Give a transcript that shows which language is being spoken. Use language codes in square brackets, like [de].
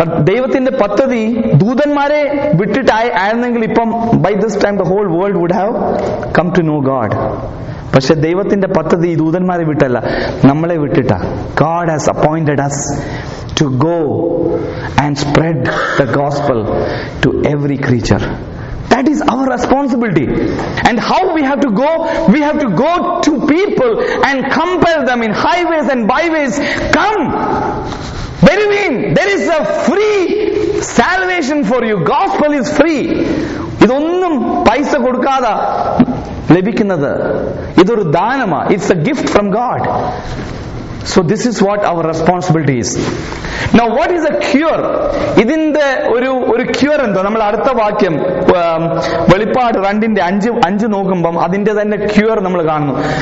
[ml] ദൈവത്തിന്റെ പദ്ധതി ദൂതന്മാരെ വിട്ടിട്ടായിരുന്നെങ്കിൽ ഇപ്പം [en] by this time the whole world would have come to know God. [ml] പക്ഷെ ദൈവത്തിന്റെ പദ്ധതി ദൂതന്മാരെ വിട്ടല്ല, നമ്മളെ വിട്ടിട്ട. [en] God has appointed us to go and spread the gospel to every creature. That is our responsibility. And how we have to go? We have to go to people and compel them in highways and byways. Come! What do you mean? There is a free salvation for you. Gospel is free. [ml] ഇതൊന്നും പൈസ കൊടുക്കാതെ ലഭിക്കുന്നത്, ഇതൊരു ദാനമാ. [en] It's a gift from God. So this is what our responsibility is. Now what is a cure? [ml] ഇതിന്റെ ഒരു ഒരു cure എന്താ? നമ്മൾ അടുത്ത വാക്യം വെളിപ്പാട് 2:5 നോക്കുമ്പം അതിന്റെ തന്നെ ക്യൂർ നമ്മൾ കാണുന്നു.